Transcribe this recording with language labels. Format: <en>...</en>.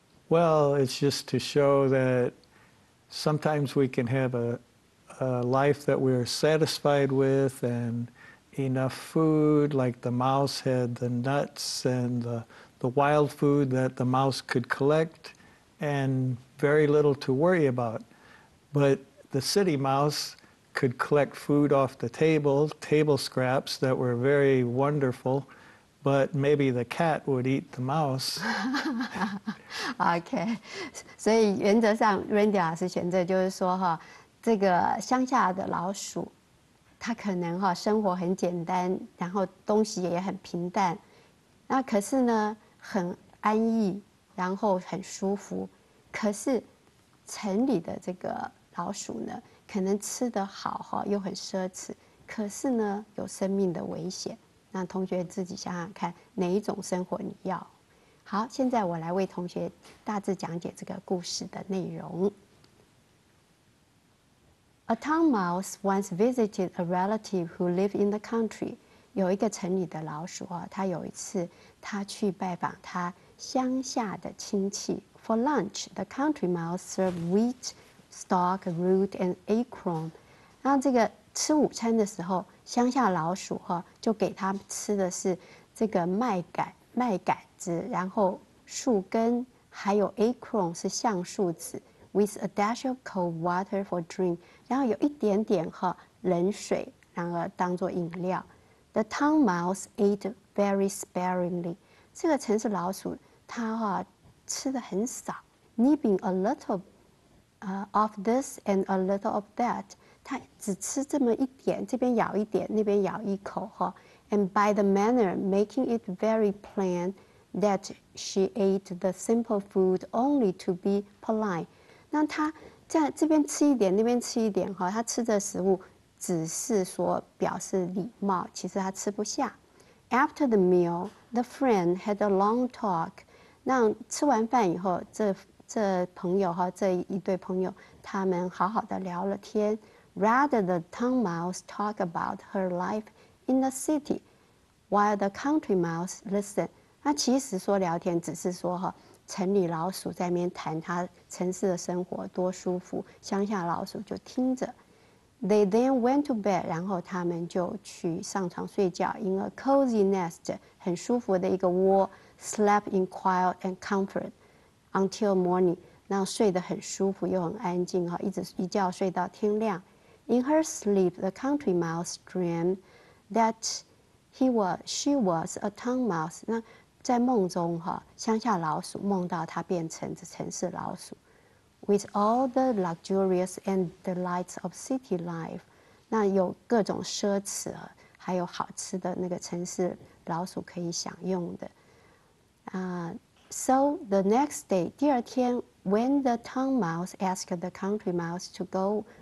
<en>Well, it's just to show that sometimes we can have a life that we are satisfied with and enough food, like the mouse had the nuts and the wild food that the mouse could collect and very little to worry about. But the city mouse could collect food off the table scraps that were very wonderful, But maybe the cat would eat the mouse. Okay.</en> <zh>所以原则上 Randy 老师选择就是说哈，这个乡下的老鼠，它可能哈生活很简单，然后东西也很平淡，那可是呢很安逸，然后很舒服。可是城里的这个老鼠呢，可能吃得好哈，又很奢侈，可是呢有生命的危险。那同学自己想想看，哪一种生活你要？好，现在我来为同学大致讲解这个故事的内容。</zh> <en>A town mouse once visited a relative who lived in the country.</en> <zh>有一个城里的老鼠啊，他有一次他去拜访他乡下的亲戚。</zh> <en>For lunch, the country mouse served wheat, stalk, root, and acorn.</en> <zh>那这个吃午餐的时候，乡下老鼠哈就给他吃的是这个麦秆子，然后树根，还有 acorn 是橡树籽 ，</zh> <en>with a dash of cold water for drink，</en> <zh>然后有一点点哈冷水，然后当做饮料。</zh> <en>The town mouse ate very sparingly，</en> <zh>这个城市老鼠它哈吃的很少</zh> <en>，nibbing a little of this and a little of that。</en> <zh>他只吃这么一点，这边咬一点，那边咬一口哈。</zh> <en>And by the manner, making it very plain that she ate the simple food only to be polite.</en> <zh>那他在这边吃一点，那边吃一点哈。他吃的食物只是说表示礼貌，其实他吃不下。</zh> <en>After the meal, the friend had a long talk.</en> <zh>那吃完饭以后，这朋友哈，这一对朋友，他们好好的聊了天。</zh> <en>Rather the town mouse talk about her life in the city, while the country mouse listen.</en> <zh>那其实说聊天只是说哈，城里老鼠在那边谈他城市的生活多舒服，乡下老鼠就听着。</zh> <en>They then went to bed.</en> <zh>然后他们就去上床睡觉</zh> <en>，in a cozy nest,</en> <zh>很舒服的一个窝</zh> <en>，slept in quiet and comfort until morning.</en> <zh>那睡得很舒服又很安静哈，一直一觉睡到天亮。</zh> <en>In her sleep, the country mouse dreamed that she was a town mouse.</en> <zh>那在梦中哈，乡下老鼠梦到她变成这城市老鼠 ，</zh> <en>with all the luxurious and delights of city life.</en> <zh>那有各种奢侈，还有好吃的那个城市老鼠可以享用的。</zh> <en>So the next day,</en> <zh>第二天</zh> <en>，when the town mouse asked the country mouse to go.</en>